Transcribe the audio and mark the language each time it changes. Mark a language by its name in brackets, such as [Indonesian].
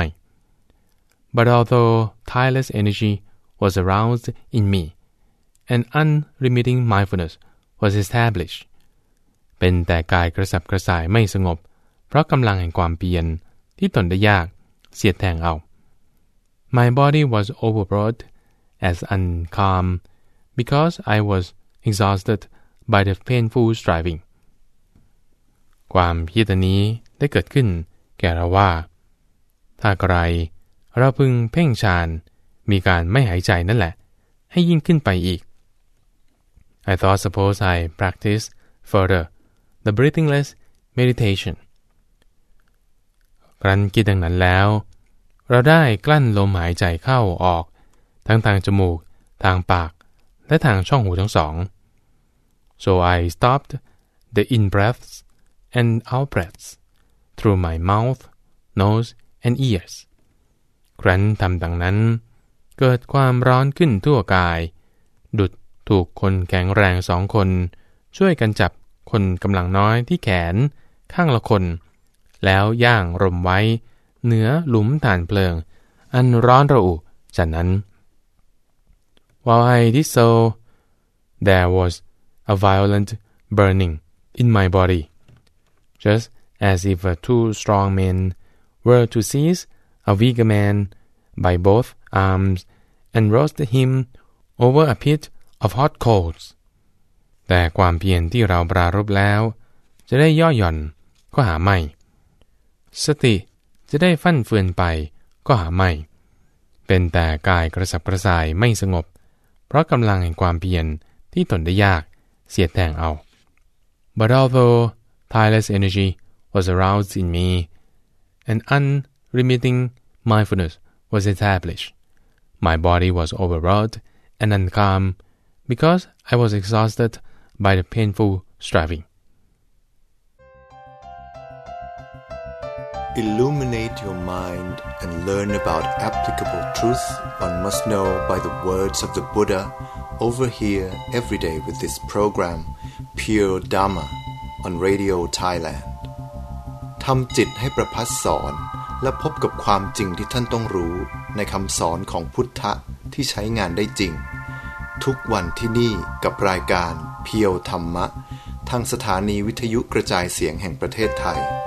[English] But although tireless energy was aroused in me, an unremitting mindfulness was established. [Thai] เป็นแต่กายกระสับกระส่ายไม่สงบเพราะกำลังแห่งความเพียรที่ตนได้ยากเสียดแทงเอา [English] My body was overwrought as uncalm because I was exhausted by the painful striving. [Thai] ความเพียรนี้ได้เกิดขึ้นแก่เราว่าถ้าใครเราพึงเพ่งฌานมีการไม่หายใจนั่นแหละให้ยิ่งขึ้นไปอีก [English] I thought suppose I practice further. The breathingless meditation. [Thai] ครั้นคิดดังนั้นแล้วเราได้กลั้นลมหายใจเข้าออกทั้งทางจมูกทางปากและทางช่องหูทั้งสอง [English] So I stopped the in-breaths and out-breaths through my mouth, nose, and ears. [Thai] ครั้นทำดังนั้นเกิดความร้อนขึ้นทั่วกาย ดุจถูกคนแข็งแรงสองคนช่วยกันจับคนกำลังน้อยที่แขนข้างละคนแล้วย่างรมไว้เหนือหลุมถ่านเพลิงอันร้อนระอุฉะนั้น [English] While I did so, there was a violent burning in my body, just as if two strong men were to seize a weaker man by both arms and roast him over a pit of hot coals. [Thai] แต่ความเพียรที่เราปรารภแล้วจะได้ย่อหย่อนก็หาไม่สติจะได้ฟั่นเฟือนไปก็หาไม่เป็นแต่กายกระสับกระส่ายไม่สงบเพราะกำลังแห่งความเพียรที่ทนได้ยากเสียแทงเอา [English] But although tireless energy was aroused in me, an unremitting mindfulness was established, my body was overwrought and uncalm because I was exhausted by the painful striving. Illuminate your mind and learn about applicable truth one must know by the words of the Buddha over here every day with this program Pure Dharma on Radio Thailand. [Thai] ทำจิตให้ประพัสสอนและพบกับความจริงที่ท่านต้องรู้ในคำสอนของพุทธะที่ใช้งานได้จริงทุกวันที่นี่กับรายการเพียวธรรมะทางสถานีวิทยุกระจายเสียงแห่งประเทศไทย